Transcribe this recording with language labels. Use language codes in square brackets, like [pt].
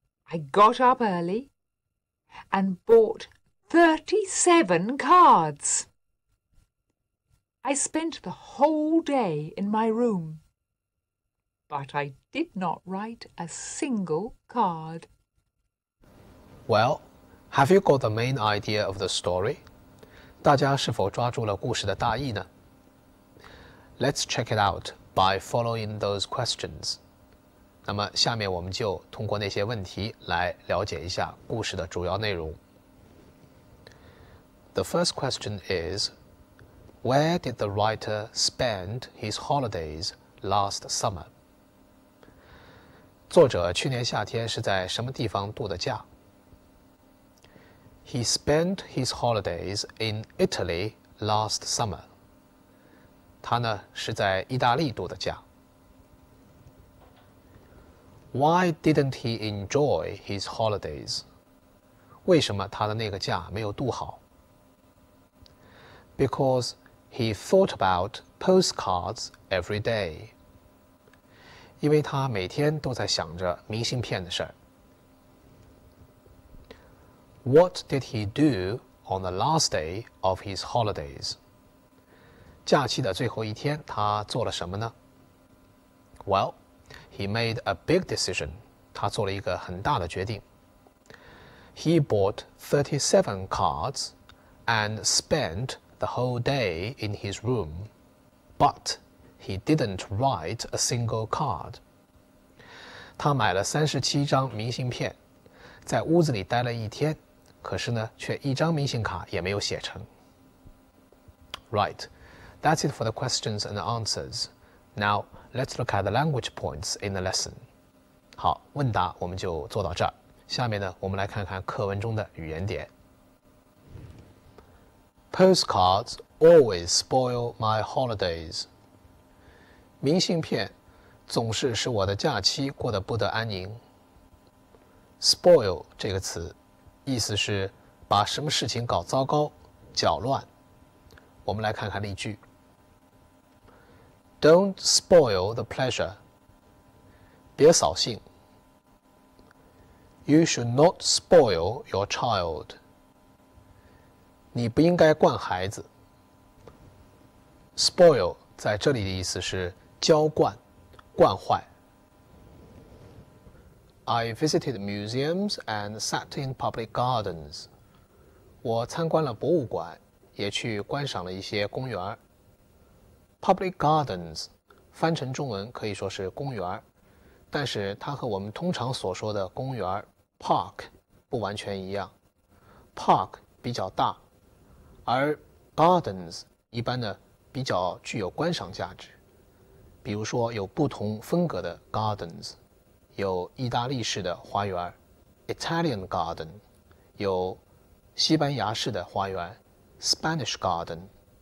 [en] I got up early and bought 37 cards. I spent the whole day in my room, but I did not write a single card. Well,Have you got the main idea of the story? [zh] 大家是否抓住了故事的大意呢? [en] Let's check it out by following those questions. [zh] 那么下面我们就通过那些问题来了解一下故事的主要内容。 [en] The first question is, Where did the writer spend his holidays last summer? [zh] 作者去年夏天是在什么地方度的假? [en] He spent his holidays in Italy last summer. [zh] 他呢是在意大利度的假。 [en] Why didn't he enjoy his holidays? [zh] 为什么他的那个假没有度好? [en] Because he thought about postcards every day. [zh] 因为他每天都在想着明信片的事儿。 [en] What did he do on the last day of his holidays? [zh] 假期的最后一天，他做了什么呢？ [en] Well, he made a big decision. [zh] 他做了一个很大的决定。 [en] He bought 37 cards and spent the whole day in his room. But he didn't write a single card. [zh] 他买了37张明信片，在屋子里待了一天。可是呢，却一张明信卡也没有写成。 [en] Right, that's it for the questions and answers. Now, let's look at the language points in the lesson. [zh] 好，问答我们就做到这儿。下面呢，我们来看看课文中的语言点。 [en] Postcards always spoil my holidays. [zh] 明信片总是使我的假期过得不得安宁。 Spoil 这个词。意思是把什么事情搞糟糕、搅乱。我们来看看例句。 [en] Don't spoil the pleasure. [zh] 别扫兴。 You should not spoil your child. 你不应该惯孩子。 Spoil 在这里的意思是浇灌、灌坏。 I visited museums and sat in public gardens. 我参观了博物馆，也去观赏了一些公园。 Public gardens 翻成中文可以说是公园，但是它和我们通常所说的公园 park 不完全一样。 Park 比较大，而 gardens 一般呢比较具有观赏价值，比如说有不同风格的 gardens， 有意大利式的花园 [en] Italian garden， [zh] 有西班牙式的花园 [en] Spanish garden。